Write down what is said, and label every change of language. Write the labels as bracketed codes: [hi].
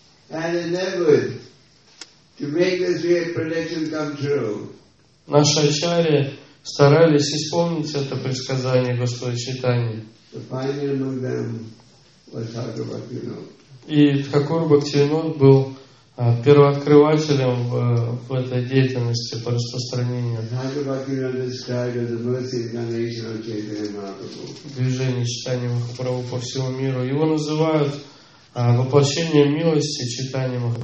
[en] And in Nevud, to make this great prediction come true. [ru] Наши ачарьи старались исполнить это предсказание Господа Чайтаньи. [en] The pioneer among them was Thakur Bhaktivinoda. [ru] И Thakur Bhaktivinoda был первооткрывателем в этой деятельности по распространению. [en] Thakur Bhaktivinoda described as the mercy incarnation of Chaitanya Mahaprabhu. [ru] Движение Чайтаньи Махапрабху по всему миру. Его называют воплощение милости Чайтаньи